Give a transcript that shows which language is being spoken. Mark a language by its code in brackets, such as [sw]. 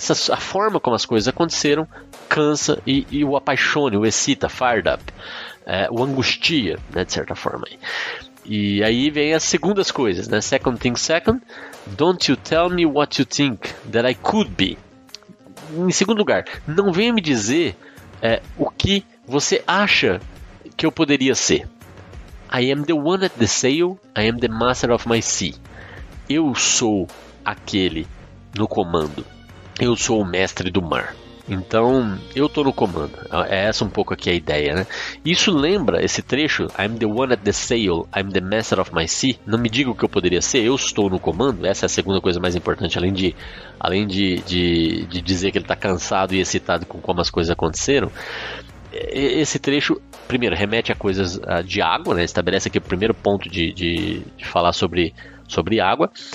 [pt] A forma como as coisas aconteceram cansa e o apaixone, o excita, [en] fired up. [pt] O angustia, né, de certa forma. E aí vem as segundas coisas, né? [en] Second thing second, don't you tell me what you think that I could be. [pt] Em segundo lugar, não venha me dizer o que você acha que eu poderia ser. [en] I am the one at the sail, I am the master of my sea. [pt] Eu sou aquele no comando, eu sou o mestre do mar. Então, eu tô no comando. É essa um pouco aqui a ideia, né? Isso lembra esse trecho, [en] I'm the one at the sail, I'm the master of my sea. [pt] Não me diga o que eu poderia ser, eu estou no comando. Essa é a segunda coisa mais importante, além de dizer que ele tá cansado e excitado com como as coisas aconteceram. Esse trecho, primeiro, remete a coisas de água, né? Estabelece aqui o primeiro ponto de falar sobre água.